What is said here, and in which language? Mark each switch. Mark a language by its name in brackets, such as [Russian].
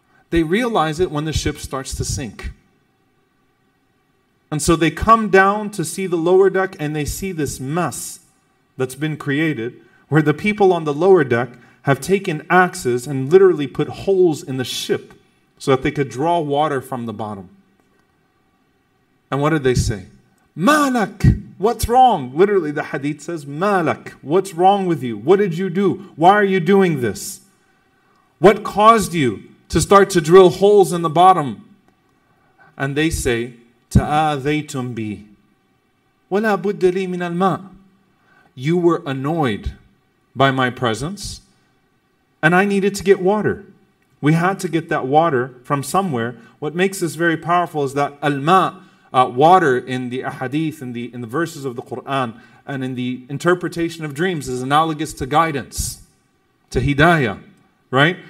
[English] They realize it when the ship starts to sink. And so they come down to see the lower deck and they see this mess that's been created, where the people on the lower deck have taken axes and literally put holes in the ship so that they could draw water from the bottom. And what did they say? مالك, what's wrong? Literally the hadith says, مالك, what's wrong with you? What did you do? Why are you doing this? What caused you to start to drill holes in the bottom? And they say, [Arabic] تآذيتم بي ولا بد لي من الماء. [English] You were annoyed by my presence and I needed to get water. We had to get that water from somewhere. What makes this very powerful is that الماء, water in the ahadith, in the verses of the Quran and in the interpretation of dreams is analogous to guidance, to hidayah, right?